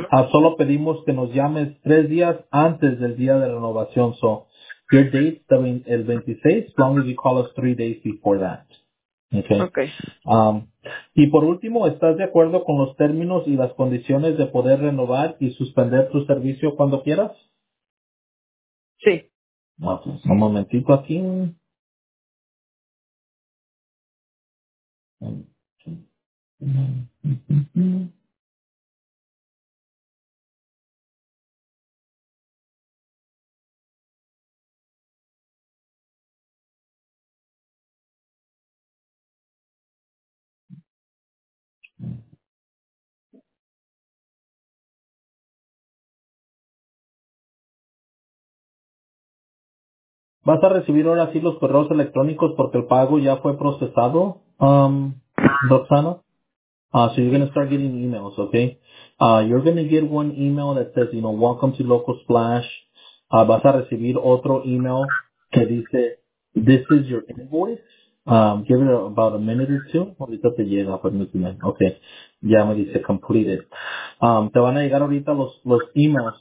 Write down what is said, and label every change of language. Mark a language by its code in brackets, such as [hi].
[es] Solo pedimos que nos llames 3 días antes del día de renovación. [en] So, your date, [es] el 26, [en] as long as you call us 3 days before that. [es] Okay. Y por último, ¿estás de acuerdo con los términos y las condiciones de poder renovar y suspender tu servicio cuando quieras? Sí. Okay. Un momentito aquí. Vas a recibir ahora sí los correos electrónicos porque el pago ya fue procesado, Roxana. [en] So you're going to start getting emails, okay? You're going to get one email that says, you know, welcome to Local Splash. [es] Vas a recibir otro email que dice, [en] this is your invoice. Give it about a minute or two. [es] Ahorita te llega, permíteme. [en] Okay. [es] Ya me dice completed. Te van a llegar ahorita los emails.